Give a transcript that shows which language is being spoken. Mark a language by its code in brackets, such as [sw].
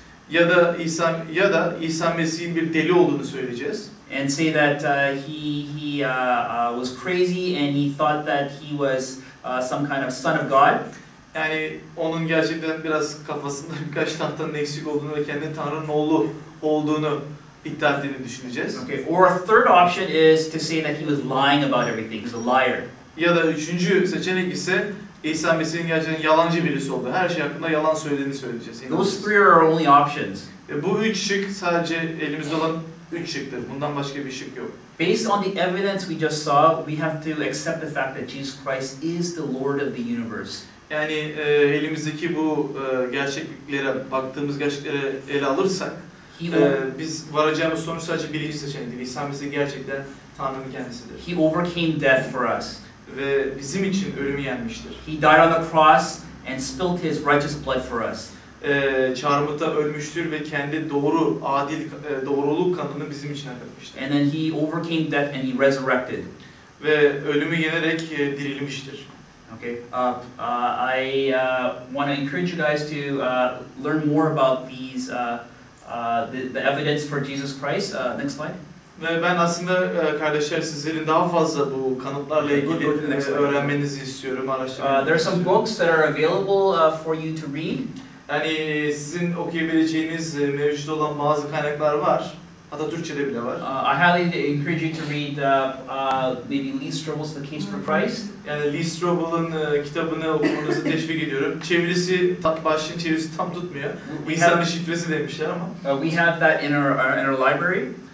[tr] Ya da İsa Mesih'in bir deli olduğunu söyleyeceğiz. [en] And say that he was crazy and he thought that he was some kind of son of God. [tr] Yani onun gerçekten biraz kafasında birkaç tahtanın eksik olduğunu ve kendi Tanrı'nın oğlu olduğunu iddia ettiğini düşüneceğiz. [en] Okay. Or a third option is to say that he was lying about everything. He's a liar. [tr] Ya da üçüncü seçenek ise İsa Mesih'in gerçekten yalancı birisi oldu. Her şey hakkında yalan söylediğini söyleyeceğiz. [en] Those three are only options. [tr] Bu üç şık sadece elimizde olan üç şıktır. Bundan başka bir şık yok. [en] Based on the evidence we just saw, we have to accept the fact that Jesus Christ is the Lord of the universe. [tr] Yani elimizdeki bu gerçekliklere, baktığımız gerçeklere ele alırsak biz varacağımız sonuç sadece birinci seçenektir. İsa Mesih gerçekten Tanrı'nın kendisidir. [en] He overcame death for us. [tr] Ve bizim için ölümü yenmiştir. [en] He died on the cross and spilled his righteous blood for us. [tr] Çarmıhta ölmüştür ve kendi doğru, adil, doğruluk kanını bizim için akıtmıştır. [en] And then he overcame death and he resurrected. [tr] Ve ölümü yenerek dirilmiştir. [en] Okay. I want to encourage you guys to learn more about these the evidence for Jesus Christ. Next slide. [tr] Ve ben aslında kardeşler sizlerin daha fazla bu kanıtlarla ilgili öğrenmenizi istiyorum, araştırmanızı. [en] There are some books that are available for you to read. [tr] Yani sizin okuyabileceğiniz mevcut olan bazı kaynaklar var. Hatta Türkçe'de bile var. [en] I highly encourage you to read maybe Lee Strobel's The Case for Christ. [tr] Yani Lee Strobel'ın kitabını okumanızı teşvik ediyorum. Çevirisi, başlığın çevirisi tam tutmuyor. İnsanın şifresi demişler ama. [en] We have that in our library.